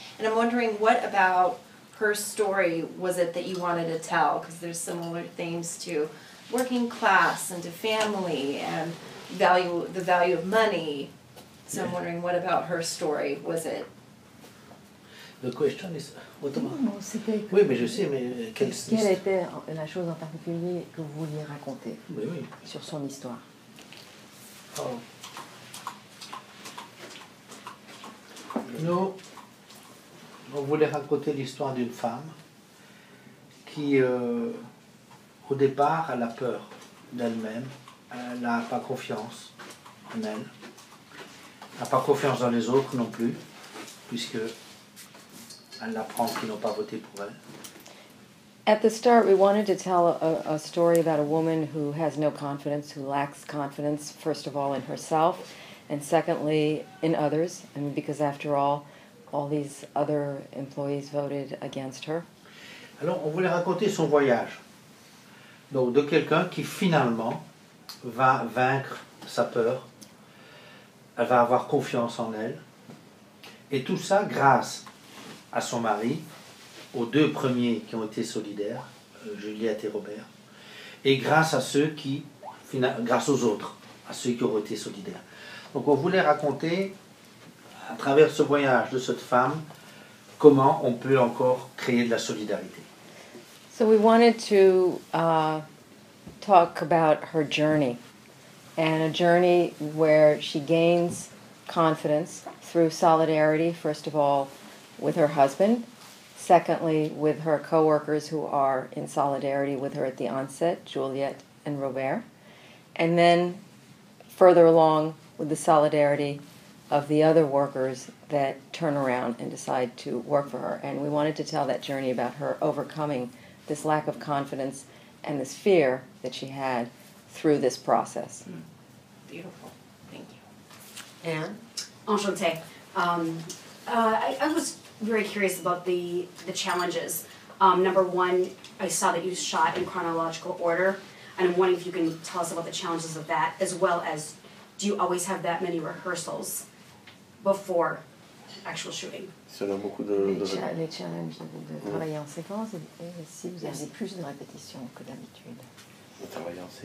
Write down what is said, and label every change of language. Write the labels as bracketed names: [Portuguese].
[English] And I'm wondering, what about her story was it that you wanted to tell? Because there's similar themes to working class and to family and the value of money. So I'm wondering, what about her story was it? The question is, what about... [French] Non, c'était... Oui, mais je sais, mais... Quelle était la chose en particulier que vous vouliez raconter oui. sur son histoire? Oh. Nous, on voulait raconter l'histoire d'une femme qui, au départ, elle a peur d'elle-même, elle n'a pas confiance en elle, n'a pas confiance dans les autres non plus, puisque... [English] At the start, we wanted to tell a story about a woman who has no confidence, who lacks confidence, first of all, in herself, and secondly, in others, and because after all these other employees voted against her. [French] Alors, on voulait raconter son voyage. Donc, de quelqu'un qui, finalement, va vaincre sa peur, elle va avoir confiance en elle, et tout ça grâce... à son mari, aux deux premiers qui ont été solidaires, Juliette et Robert, et grâce à ceux qui, grâce aux autres, à ceux qui ont été solidaires. Donc on voulait raconter, à travers ce voyage de cette femme, comment on peut encore créer de la solidarité. [English] So we wanted to talk about her journey, and a journey where she gains confidence through solidarity, first of all, with her husband, secondly, with her co-workers who are in solidarity with her at the onset, Juliette and Robert, and then further along with the solidarity of the other workers that turn around and decide to work for her. And we wanted to tell that journey about her overcoming this lack of confidence and this fear that she had through this process. Beautiful. Thank you. Anne? Enchantée. I was... very curious about the challenges. Number one, I saw that you shot in chronological order, and I'm wondering if you can tell us about the challenges of that, as well as do you always have that many rehearsals before actual shooting? [French] Les challenges de travailler en séquence, et si vous avez plus de répétitions que d'habitude.